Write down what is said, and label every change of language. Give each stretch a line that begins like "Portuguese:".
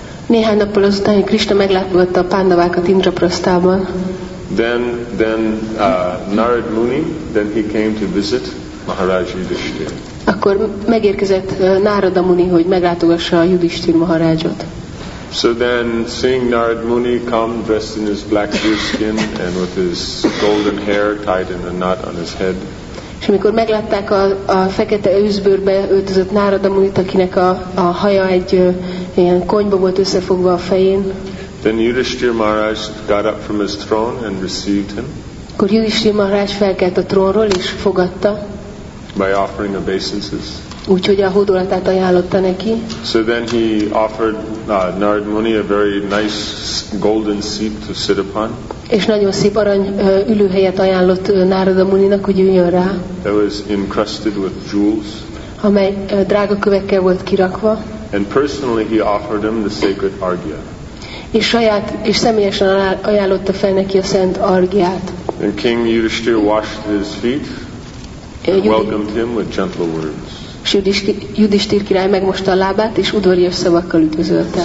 Hungarian: Néhány nappal azután Krishna meglátogatta a Pandavákat Indraprasthában.
English: Then Narad Muni, then he came to visit Maharaj Yudhishthir.
Hungarian: Akkor megérkezett Narada Muni, hogy meglátogassa a Yudhishthir Maharajot.
English: So then, seeing Narad Muni come dressed in his black deer skin and with his golden hair tied in a knot on his head.
Hungarian: És amikor meglátták a fekete őszbőrbe öltözött Narada Munit, akinek a haja egy ilyen konyba volt összefogva a fején.
English: Then Yudhishthir Maharaj got up from his throne and received him.
Hungarian: Akkor Yudhishthir Maharaj felkelt a trónról és fogadta.
English: By offering obeisances.
Hungarian: Úgyhogy a hódolatát ajánlotta neki.
English: So then he offered Narad Muni a very nice golden seat to sit upon.
Hungarian: És nagyon szép arany ülőhelyet ajánlott Narada Muninak, hogy üljön rá.
English: That was encrusted with jewels.
Hungarian: Amely drága kövekkel volt kirakva.
English: And personally he offered him the sacred argya.
Hungarian: És saját és személyesen ajánlotta fel neki a szent argyát.
English: And King Yudhishthir washed his feet and welcomed him with gentle words.
Hungarian: És Yudhishthir király megmosta a lábát és udvarias szavakkal üdvözölte.